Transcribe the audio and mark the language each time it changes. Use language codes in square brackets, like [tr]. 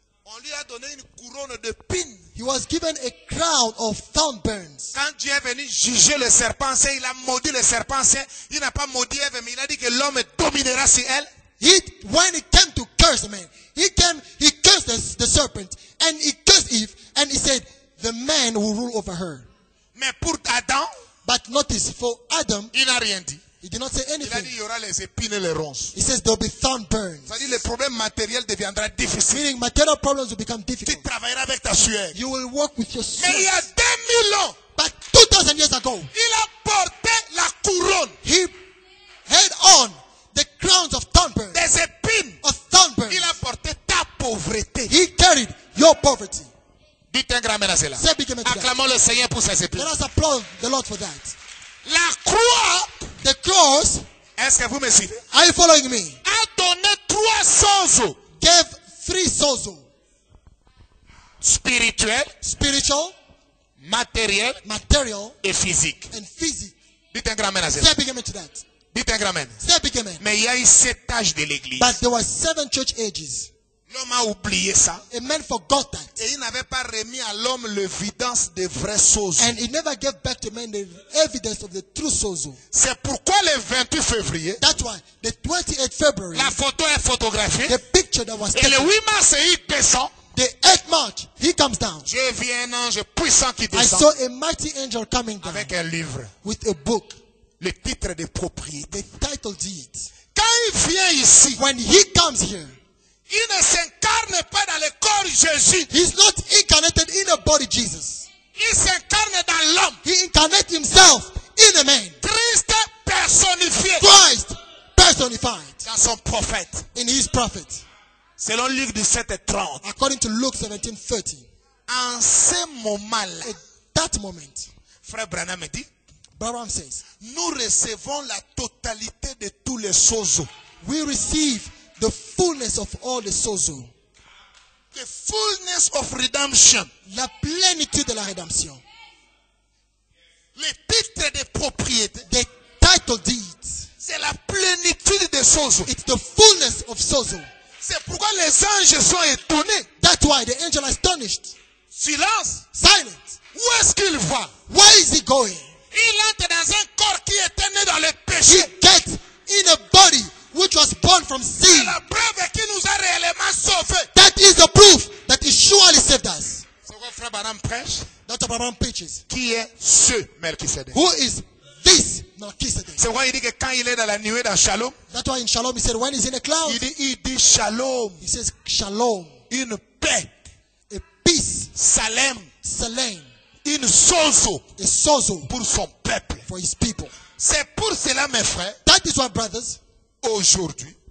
[fr] On lui a donné une couronne de pines. [en] He was given a crown of thorn burns. [fr] Quand Dieu est venu juger le serpent, c'est il a maudit le serpent. C'est, il n'a pas maudit Eve, mais il a dit que l'homme dominera sur elle. [en] He, when he came to curse the man, he cursed the serpent and he cursed Eve and he said the man will rule over her. [fr] Mais pour Adam, [en] but notice for Adam, [fr] il n'a rien dit. [en] He did not say anything. [fr] Il a dit, il y aura les épines et les ronces. [en] He says there will be thorn burns. [fr] Ça dit, les problèmes matériels deviendront difficiles. [en] Meaning material problems will become difficult. [fr] Tu travailleras avec ta sueur. [en] You will work with your sweat. [fr] Mais il y a 2000 ans. [en] But 2000 years ago. [fr] Il a porté la couronne. crown. [en] He had on the crowns of thornbirds. [fr] Des épines. [en] Of thornbirds. [fr] Il a porté ta pauvreté. [en] He carried your poverty. [fr] Dites un grand amen à cela. [en] Say big amen to [fr] Acclamons [en] that. [fr] Le Seigneur pour ses épines. [en] Let us applaud the Lord for that. [fr] La croix. [en] The cross. [fr] Est-ce que vous me suivez? [en] Are you following me? [fr] A donné trois sozo. [en] Gave three sozo. [fr] Spirituel. [en] Spiritual. [fr] Matériel. [en] Material. [fr] Et physique. [en] And physique. [fr] Dites un grand amen à cela. [en] Say big amen to that. [fr] Dites un grand amen. [en] Say big amen. [fr] Mais il y a eu sept âges de l'église. [en] But there were seven church ages. [fr] L'homme a oublié ça. [en] A man forgot that. [fr] Et il n'avait pas remis à l'homme l'évidence des vrais sozo. [en] And he never gave back to man the evidence of the true sozo. [fr] C'est pourquoi le 28 février. [en] That's why the 28th February. [fr] La photo est photographiée. [en] The picture that was [fr] taken. Et le 8 mars, il descend. [en] The 8th March, he comes down. [fr] J'ai vu un ange puissant qui descend. [en] I saw a mighty angel coming down. [fr] Avec un livre. [en] With a book. [fr] Le titre de propriété. [en] The title deed. [fr] Quand il vient ici. [en] When he comes here. [fr] Il ne s'incarne pas dans le corps Jésus. [en] He's not incarnated in a body Jesus. [fr] Il s'incarne dans l'homme. [en] He incarnates himself in a man. [fr] Christ personifié. [en] Christ personified. [fr] Dans son prophète. [en] In his prophet. [fr] Selon Luc 17:30. [en] According to Luke 17:30. [fr] En ce moment-là. [en] At that moment. [fr] Frère Branham dit. [en] Branham says. [fr] Nous recevons la totalité de tous les sozo. [en] We receive the fullness of all the sozo. The fullness of redemption. [fr] La plénitude de la rédemption. Le titre de propriété. [en] The title deed. [fr] C'est la plénitude de sozo. [en] It's the fullness of sozo. [fr] C'est pourquoi les anges sont étonnés. [en] That's why the angel is astonished. [fr] Silence. [en] Silent. [fr] Où est-ce qu'il va? [en] Where is he going? [fr] Il entre dans un corps qui était né dans le péché. [en] He gets in a body which was born from sin. [fr] La preuve qui nous a réellement sauvés. [en] That is the proof that he surely saved us. [fr] C'est [en] Dr. Branham preaches. [fr] Qui est ce Melchizedek? [en] Who is this Melchizedek? [fr] C'est pourquoi il dit que quand il est dans la nuée dans Shalom. [en] That's why in Shalom he said when he's in the clouds. [fr] Il dit Shalom. [en] He says Shalom. [fr] Une paix. [en] A peace. Salem. Salem. [fr] Une sozo. [en] A sozo. [fr] Pour son peuple. [en] For his people. [fr] C'est pour cela mes frères. [en] That is why brothers. [fr] Aujourd'hui,